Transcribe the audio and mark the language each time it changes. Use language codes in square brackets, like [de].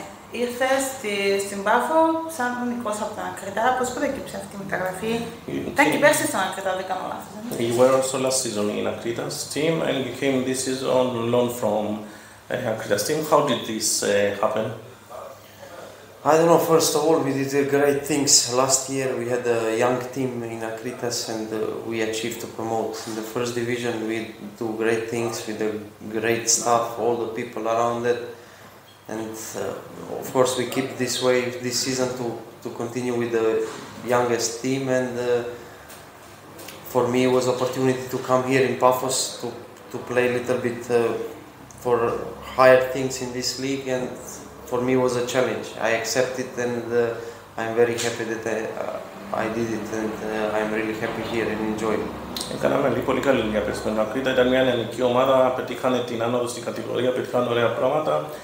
[el] Ήρθες στην Πάφο σαν νικός από την Ακρίτα. Πώς προέκυψε αυτή η μεταγραφή? Ήταν και πέρσι στην Ακρίτα, δεν κάνω λάθος. [en] You were also last season in Akrita's team and you came this season on loan from Akrita's team. How did this happen? I don't know, first of all, we did great things last year. We had a young team in Akritas and we achieved to promote. In the first division, we do great things with the great staff, all the people around it. And of course, we keep this way this season to continue with the youngest team. And for me, it was an opportunity to come here in Paphos to play a little bit for higher things in this league. And for me, it was a challenge. I accept it, and I'm very happy that I did it, and I'm really happy here and enjoy it. [el] Κάναμε πολύ καλή δουλειά πέρσι με την Ακρίτα. Ήταν μια ελληνική ομάδα, πετύχανε την άνοδο στην κατηγορία, πετύχανε ωραία πράγματα.